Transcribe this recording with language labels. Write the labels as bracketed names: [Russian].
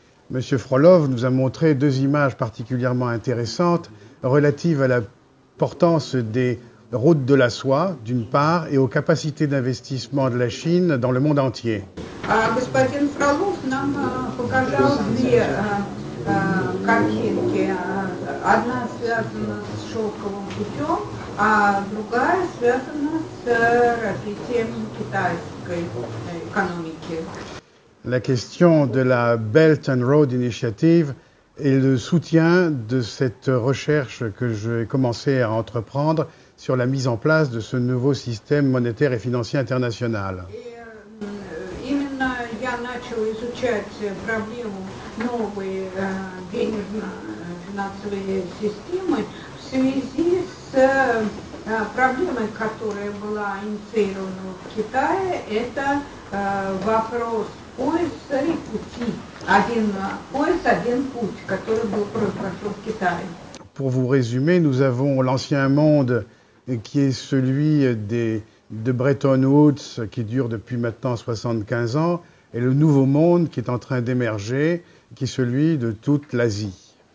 [French] Monsieur Frolov nous a montré deux images particulièrement intéressantes relatives à l'importance des route de la soie, d'une part, et aux capacités d'investissement de la Chine dans le monde entier. [Russian] Господин Фролов нам показал две картинки. Одна связана с шелковым путем, а другая связана с развитием китайской экономики. [French] La question de la Belt and Road Initiative et le soutien de cette recherche que j'ai commencé à entreprendre sur la mise en place de ce nouveau système monétaire et financier international. [Russian] Именно я начал изучать проблему новой денежно-финансовой системы в связи с проблемой, которая была инициирована в Китае. Это вопрос пояса и пути. Один пояс, один путь, который был прошел в Китае. [French] Pour vous résumer, nous avons l'ancien monde qui est celui de Bretton Woods, qui dure depuis maintenant 75 ans, et le nouveau monde qui est en train d'émerger, qui est celui de toute l'Asie.